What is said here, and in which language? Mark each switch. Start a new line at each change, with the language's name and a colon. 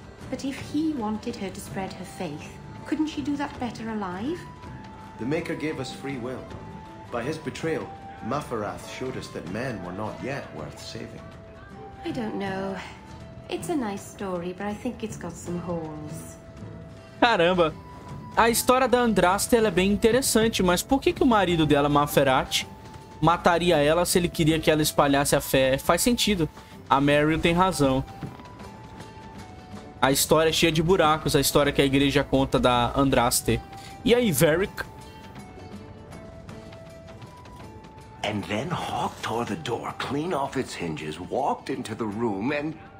English: But if he wanted her to spread her faith, couldn't she do that better alive? The Maker gave us free will. By his betrayal, Mafarath showed us that men were not yet worth saving. I don't know. It's a nice story, but I think it's got some holes.
Portuguese: Caramba. A história da Andraste, ela é bem interessante, mas por que que o marido dela, Mafarath, mataria ela se ele queria que ela espalhasse a fé? Faz sentido. A Meryl tem razão. A história é cheia de buracos, a história que a igreja conta da Andraste. E aí, Varric?
English: And then Hawk tore the door clean off its hinges, walked into the room and...